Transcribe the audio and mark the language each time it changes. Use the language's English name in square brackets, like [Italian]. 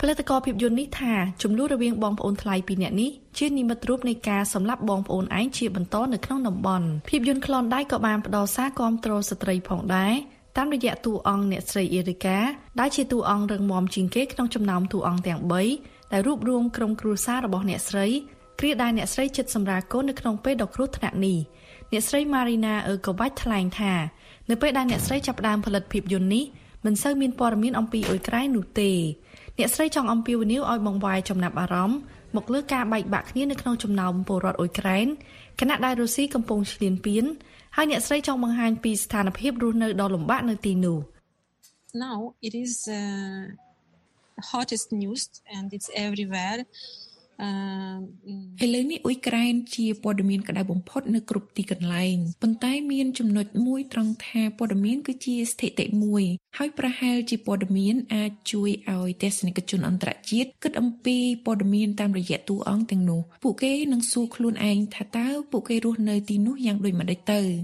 [Khmer] ផលិតករភាពយន្តនេះថាចំនួនរវាងបងប្អូនថ្លៃពីរនាក់នេះជានិមិត្តរូបនៃការសម្លាប់បងប្អូនឯងជាបន្តនៅក្នុងតំបន់ភាពយន្ត Klondike ក៏បានផ្ដល់សារគាំទ្រស្ត្រីផងដែរតាមរយៈតួអង្គអ្នកស្រីអេរីកាដែលជាតួអង្គរឹងមាំជាងគេក្នុងចំណោមតួអង្គទាំង3ដែលរួបរួមក្រុមគ្រួសាររបស់អ្នកស្រីគ្រាដែលអ្នកស្រីចិត្តសម្រាកូននៅក្នុងពេលដ៏គ្រោះថ្នាក់នេះអ្នកស្រី Marina Erkobach ថ្លែងថានៅពេលដែលអ្នកស្រីចាប់ផ្ដើមផលិតភាពយន្តនេះមិនសូវមានព័ត៌មានអំពីអ៊ុយក្រែននោះទេ អ្នកស្រីចង់អំពាវនាវឲ្យបងវាយចំណាប់អារម្មណ៍មកលើការបែកបាក់គ្នានៅក្នុងចំណោមពលរដ្ឋអ៊ុយក្រែនគណៈដែលរុស្ស៊ីកំពុងឈ្លានពានហើយអ្នកស្រីចង់បង្ហាញពីស្ថានភាពរស់នៅដ៏លំបាកនៅទីនោះ [English] Now it is hottest news and it's everywhere [Khmer] ហើយនេះអ៊ុយក្រែនជាព័ត៌មានក្តៅបំផុតនៅគ្រប់ទីកន្លែងប៉ុន្តែមានចំណុចមួយត្រង់ថាព័ត៌មានគឺជាស្ថិតិមួយហើយប្រហែលជាព័ត៌មានអាចជួយឲ្យទស្សនិកជនអន្តរជាតិគិតអំពីព័ត៌មានតាមរយៈតួអង្គទាំងនោះពួកគេនឹងសួរខ្លួនឯងថាតើពួកគេរស់នៅទីនោះយ៉ាងដូចម្តេចទៅ